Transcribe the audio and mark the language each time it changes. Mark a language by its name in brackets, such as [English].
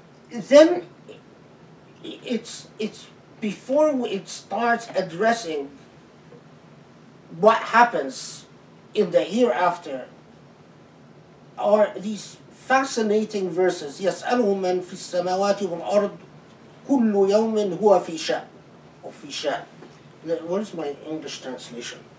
[English] Then it's before it starts addressing what happens in the hereafter, are these fascinating verses. [Arabic] يسأله من في السماوات والأرض كل يوم هو في شأن. [English] What is my English translation?